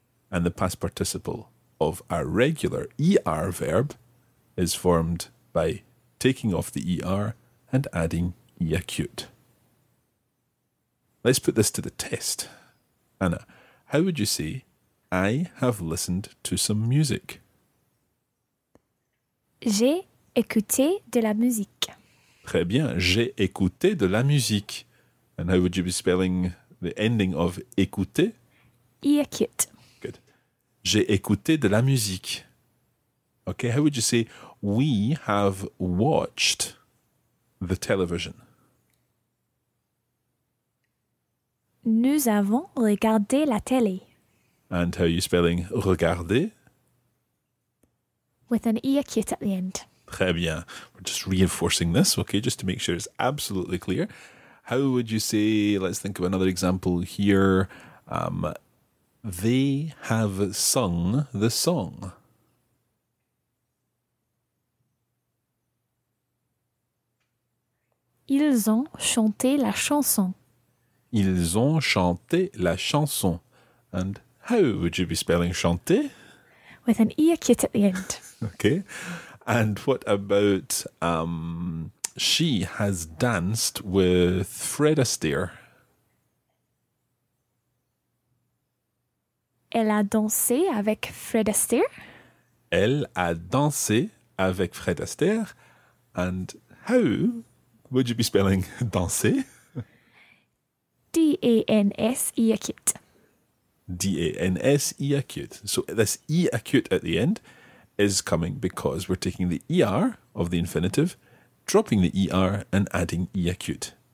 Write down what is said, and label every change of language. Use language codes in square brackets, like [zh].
[en] And the past participle of a regular ER verb is formed by taking off the ER and adding iacute. Let's put this to the test. Anna, how would you say, I have listened to some music? [fr] J'ai écouté de la musique. Très bien. J'ai écouté de la musique. [en] And how would you be spelling the ending of écouter? Iacute. Good. [fr] J'ai écouté de la musique. [en] Okay, how would you say, we have watched the television? [fr] Nous avons regardé la télé. [en] And how are you spelling regarder? With an iacute at the end. [fr] Très bien. [en] We're just reinforcing this, okay, just to make sure it's absolutely clear. How would you say, let's think of another example here, they have sung the song? [fr] Ils ont chanté la chanson. Ils ont chanté la chanson. [en] And how would you be spelling chanté? With an e acute at the end. Okay. And what about she has danced with Fred Astaire? [fr] Elle a dansé avec Fred Astaire. Elle a dansé avec Fred Astaire. [en] And how would you be spelling danser? D-A-N-S-E-A-C-U-T-E. D-A-N-S-E-A-C-U-T-E. So this E acute at the end is coming because we're taking the E-R of the infinitive, dropping the E-R and adding E acute.